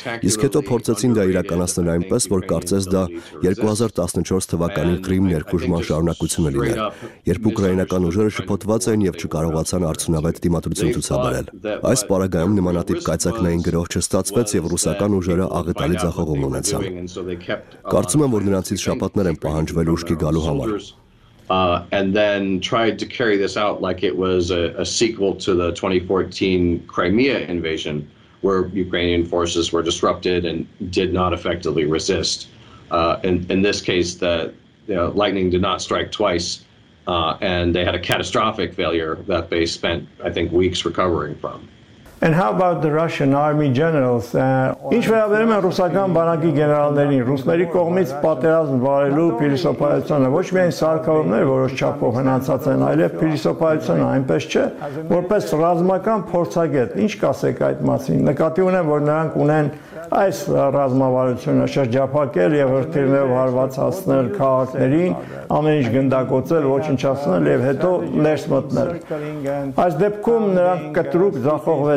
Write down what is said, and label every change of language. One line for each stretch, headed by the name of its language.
Armenian: Իսկ հետո փորձեցին դա իրականացնել այնպես, որ կարծես դա 2014 թվականի Կրիմ ներխուժման շարունակությունը լիներ, երբ ուկրաինական ուժերը շփոթված էին եւ չկարողացան արդյունավետ դիմադրություն ցուցաբերել։ Այս պարագայում նմանատիպ կայծակնային գրող չստացվեց և ռուսական ուժերը աղետալի ձախողում ունեցան։ Կարծում եմ, որ նրանցից շապատներ են պահանջվել ուշքի գալու համար։
English: And then tried to carry this out like it was a sequel to the 2014 Crimea invasion, where Ukrainian forces were disrupted and did not effectively resist. In this case, the lightning did not strike twice. And they had a catastrophic failure that they spent, I think, weeks recovering from. And how about the Russian army generals?
Armenian: Ինչ վերաբերում է ռուսական բանակի գեներալներին, ռուսների կողմից պատերազմ վարելու փիլիսոփայությունը ոչ միայն սարքավորումներ որոշ չափով հնացած են, այլև փիլիսոփայությունը այնպես չէ, որպես ռազմական փորձագետ, ինչ կասեք այդ մասին, նկատի ունեմ, որ նրանք ունեն այս ռազմավարությունը շրջափակել եւ հրթիռներով հարվածացնել քաղաքներին, ամեն ինչ գնդակոծել, ոչնչացնել եւ հետո ներս մտնել։ Այս դեպքում նրանք կտրուկ զախող